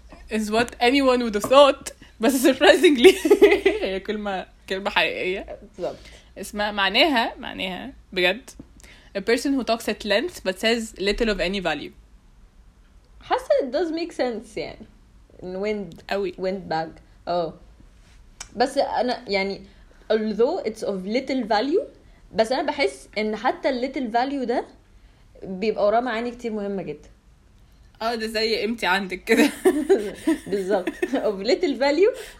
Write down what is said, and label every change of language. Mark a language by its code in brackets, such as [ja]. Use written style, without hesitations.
[en] is what anyone would have thought. [ar] بس surprisingly هي كلمة حقيقية بالظبط. اسمها معناها بجد [en] a person who talks at length but says little of any value. حاسة it does make sense يعني wind [ar] أوي. [en] wind bag. [ar] بس انا يعني [en] although it's of little value، [ar] بس انا بحس ان حتى [en] little value [ar] ده بيبقى وراه معاني كتير مهمة جدا. ده زي امتي عندك كده. [en] بالظبط، of little value.